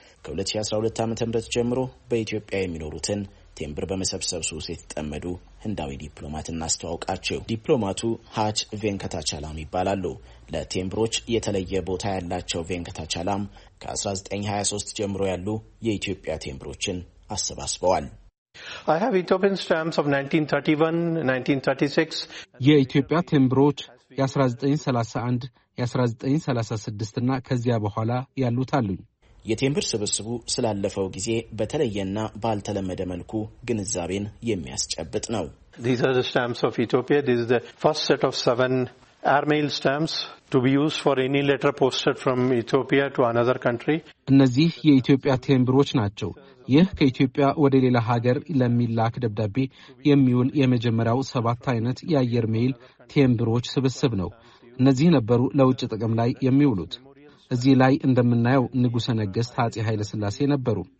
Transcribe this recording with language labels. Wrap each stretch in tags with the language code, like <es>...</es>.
<am>ከ2012 ዓ.ም ጀምሮ በኢትዮጵያ የሚኖሩትን ቴምብር በመሰብሰብ ሱስ የተጠመዱ ህንዳዊ ዲፕሎማት እናስተዋውቃቸው። ዲፕሎማቱ ሀች ቬንከታቻላም ይባላሉ። ለቴምብሮች የተለየ ቦታ ያላቸው ቬንከታቻላም ከ1923 ጀምሮ ያሉ የኢትዮጵያ ቴምብሮችን አሰባስበዋል።</am> <en>I have Ethiopian stamps of 1931-1936.</en> <am>የኢትዮጵያ ቴምብሮች የ1931፣ የ1936 እና ከዚያ በኋላ ያሉት አሉኝ። የቴምብር ስብስቡ ስላለፈው ጊዜ በተለየና ባልተለመደ መልኩ ግንዛቤን የሚያስጨብጥ ነው።</am> <en>These are the stamps of Ethiopia. This is the first set of 7 airmail stamps to be used for any letter posted from Ethiopia to another country.</en> <am>እነዚህ የኢትዮጵያ ቴምብሮች ናቸው። ይህ ከኢትዮጵያ ወደ ሌላ ሀገር ለሚላክ ደብዳቤ የሚውል የመጀመሪያው 7 አይነት የአየር ሜይል ቴምብሮች ስብስብ ነው። እነዚህ ነበሩ ለውጭ ጥቅም ላይ የሚውሉት። እዚህ ላይ እንደምናየው ንጉሰ ነገስት አጼ ኃይለ ሥላሴ ነበሩ።</am>